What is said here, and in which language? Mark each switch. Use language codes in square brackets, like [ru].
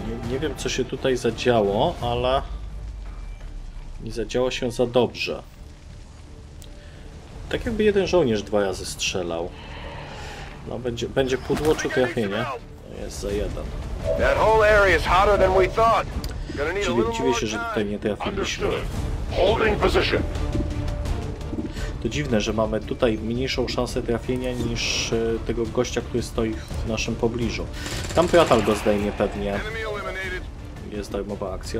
[pl] Nie wiem, co się tutaj zadziało, ale nie zadziało się za dobrze. Tak jakby jeden żołnierz dwa razy strzelał. No będzie pudło czy trafienie? Jest za jeden. [en] That whole area is hotter than we thought. [pl] Dziwię się, że tutaj nie trafiliśmy. [en] Holding position. [pl] To dziwne, że mamy tutaj mniejszą szansę trafienia niż tego gościa, który stoi w naszym pobliżu. Tam Pratal go zdejmie pewnie. Jest darmowa akcja.